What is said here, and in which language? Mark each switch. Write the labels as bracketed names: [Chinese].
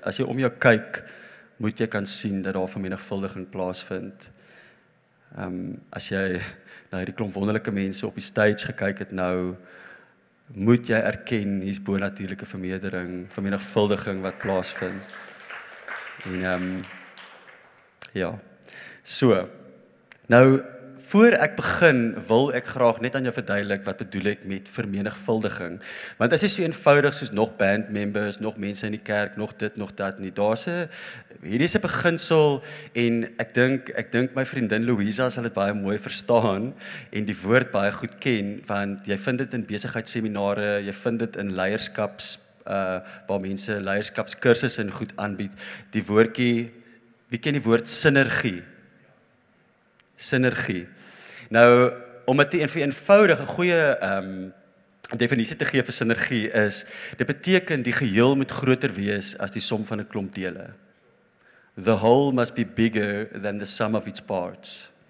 [Afrikaans] As jy om jou kyk, moet jy kan sien dat daar vermenigvuldiging plaasvind. As jy na hierdie klomp wonderlike mense op die stage gekyk het nou, moet jy erken, hier's bonatuurlike vermeerdering, vermenigvuldiging wat plaasvind. En so. Nou, voor ek begin, wil ek graag net aan jou verduidelik wat bedoel ek met vermenigvuldiging. Want as jy so eenvoudig soos nog band members, nog mense in die kerk, nog dit, nog dat nie, hierdie is 'n beginsel en ek dink my vriendin Louisa sal dit baie mooi verstaan en die woord baie goed ken, want jy vind dit in besigheidsseminare, jy vind dit in leierskaps, waar mense leierskapskursus en goed aanbied. Die woordjie, wie ken die woord sinergie? Sinergie. Nou, om dit te eenvoudig, 'n goeie definisie te gee vir sinergie is, dit beteken die geheel moet groter wees as die som van 'n klomp dele. [English] The whole must be bigger than the sum of its parts.